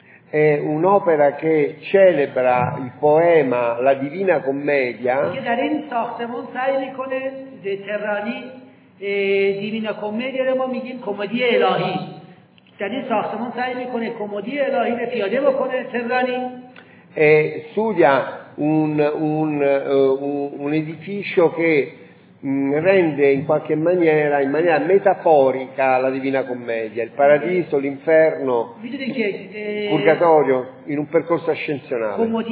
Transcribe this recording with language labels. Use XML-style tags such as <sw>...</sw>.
<it>È un'opera che celebra il poema La Divina Commedia,</it> <fa>che dar in ساختمون سعی میکنه ده ترانی دیوینا کمدی رو ما میگیم کمدی الهی. در این ساختمون سعی میکنه کمدی الهی رو پیاده بکنه ترانی.</fa> <it>E studia un edificio che rende in qualche maniera, in maniera metaforica, la Divina Commedia, il paradiso, l'inferno, il purgatorio, in un percorso ascensionale.</it>